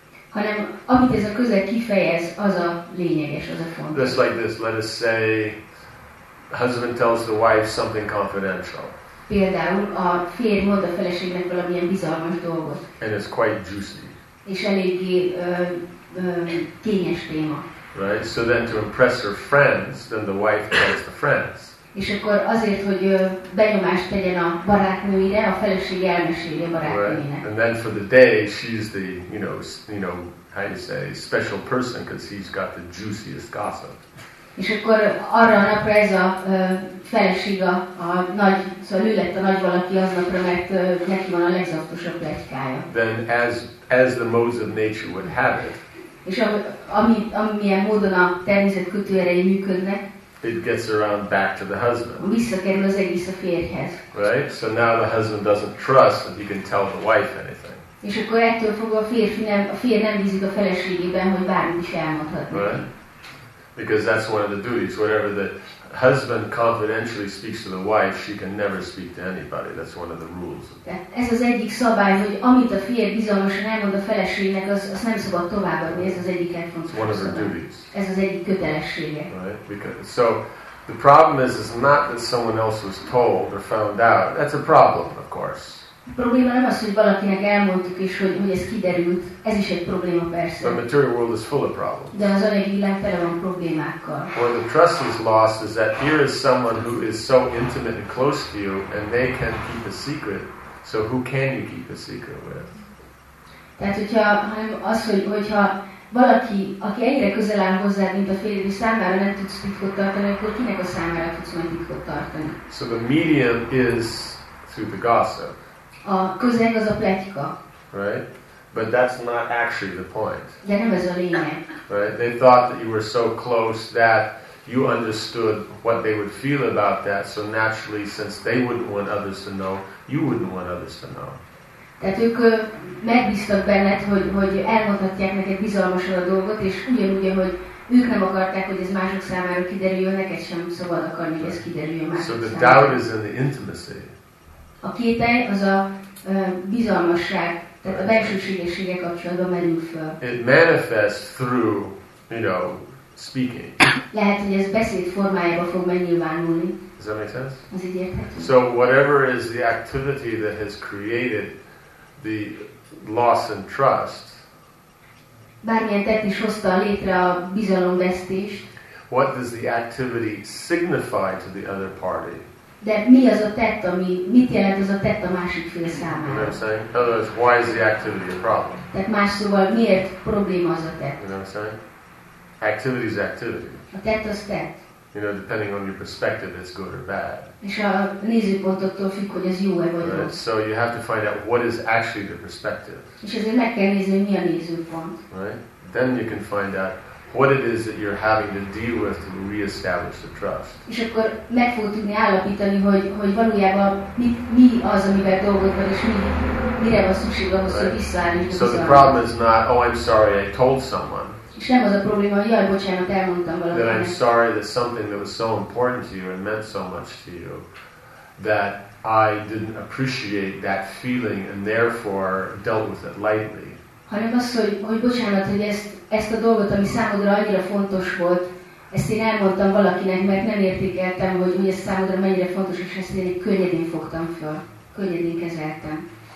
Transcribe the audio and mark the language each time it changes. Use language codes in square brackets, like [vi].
[hu] Hanem amit ez a közeg kifejez, az a lényeges, az a fontos. [en] Just like this, let us say, husband tells the wife something confidential. [hu] Például a férj mond a feleségnek valamilyen bizalmas dolgot. [en] And it's quite juicy. [hu] És eléggé kényes téma. [en] Right, so then to impress her friends, then the wife tells the friends. [hu] És akkor azért, hogy benyomást tegyen a barátnőire, a feleség elmeséli a barátnőjének. [en] And then for the day, she's the, you know, how you say, special person, because he's got the juiciest gossip. [hu] És akkor arra a napra ez a feleség a nagy, szóval ő lett a nagy valaki aznapra, mert neki van a legzaktosabb pletykája. [en] Then as the modes of nature would have it, [hu] és amilyen módon a természet kötőerei működnek, [en] it gets around back to the husband. [hu] Visszakerül az egész a férjhez. [en] Right? So now the husband doesn't trust that he can tell the wife anything. [hu] És akkor ettől fogva a férj nem bízik a feleségében, hogy bármit is elmondhat. [en] Right? Because that's one of the duties. Whatever the husband confidentially speaks to the wife, she can never speak to anybody. That's one of the rules. [hu] Ez az egyik szabály, hogy amit a férj bizalmasan elmond a feleségnek, az nem szabad továbbadni. Ez az egyik legfontosabb. [en] One of her duties. [hu] Ez az egyik kötelessége. [en] Right? Because, so the problem is not that someone else was told or found out. That's a problem, of course. [hu] A probléma nem az, hogy valakinek elmondtuk, és hogy ez kiderült. Ez is egy probléma, persze. [en] The material world is full of problems. [hu] De az anyagi világ tele van problémákkal. [en] Or the trust is lost is that here is someone who is so intimate and close to you, and they can keep a secret, so who can you keep a secret with? [hu] Tehát, hogyha valaki, aki ennyire közel áll hozzád, mint a férjed, és számára nem tudsz titkot tartani, akkor kinek a számára tudsz majd titkot tartani? [en] So the medium is through the gossip. [hu] A közeg az a pletyka. [en] Right? But that's not actually the point. [hu] De nem ez a lényeg. [en] Right? They thought that you were so close that you understood what they would feel about that, so naturally, since they wouldn't want others to know, you wouldn't want others to know. [hu] Tehát ők megbíztak benned, hogy elmondhatják neked bizalmasan a dolgot, és ugyanúgy, hogy ők nem akarták, hogy ez mások számára kiderüljön, neked sem szabad akarni, hogy ez kiderüljön mások számára. [en] So the doubt is in the intimacy. [hu] A kétel az a bizalmasság, tehát a belsőségessége kapcsolatban merül föl. [en] It manifests through, you know, speaking. [hu] Lehet, hogy ez beszéd formájába fog megnyilvánulni. [en] Does that make sense? [hu] Az így érthető. [en] So whatever is the activity that has created the loss in trust, [hu] bármilyen tett is hozta létre a bizalomvesztést, [en] what does the activity signify to the other party? [hu] De mi az a tett, ami mit jelent az a tett a másik fél számára? [en] You know what I'm saying? Otherwise, why is the activity a problem? [hu] Tehát más szóval, miért probléma az a tett? [en] You know what I'm saying? Activity is activity. [hu] A tett az tett. [en] You know, depending on your perspective, it's good or bad. [hu] És a nézőpontottól függ, hogy ez jó-e vagy rossz. [en] So you have to find out what is actually the perspective. [hu] És ezért meg kell nézni, mi a nézőpont. [en] Right? Then you can find out what it is that you're having to deal with to reestablish the trust. [hu] És akkor meg fogod tudni állapítani, hogy valójában mi az, amivel dolgod van, és mire van szükség ahhoz, hogy visszaállítsd. [en] So the problem is not, oh, I'm sorry, I told someone. [hu] És nem az a probléma, hogy jaj, bocsánat, elmondtam valamit. [en] That I'm sorry that something that was so important to you and meant so much to you, that I didn't appreciate that feeling and therefore dealt with it lightly. [hu] Hanem az, hogy bocsánat, hogy ezt a dolgot, ami számodra annyira fontos volt, ezt én elmondtam valakinek, mert nem értékeltem, hogy ez számodra mennyire fontos, és ezt én könnyedén fogtam föl, könnyedén kezeltem.